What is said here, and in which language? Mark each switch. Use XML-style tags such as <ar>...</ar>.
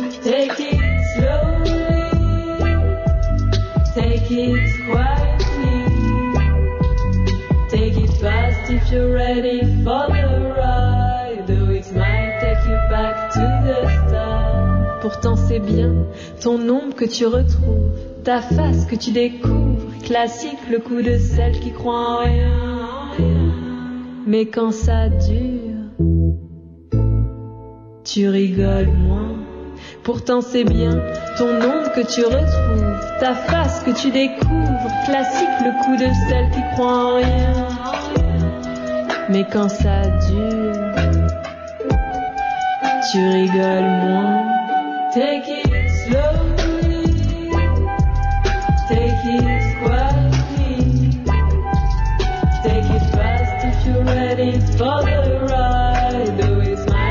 <en>Take it slowly, take it quietly, take it fast if you're ready for the ride. Though it might take you back to the start.</en> <fr>Pourtant c'est bien ton ombre que tu retrouves, ta face que tu découvres. Classique, le coup de celle qui croit en rien, en rien. Mais quand ça dure, tu rigoles moins. Pourtant c'est bien ton ombre que tu retrouves, ta face que tu découvres. Classique, le coup de celle qui croit en rien. Mais quand ça dure, tu rigoles moins.</fr> <en>Take it slowly, take it quietly, take it fast if you're ready for the ride.</en>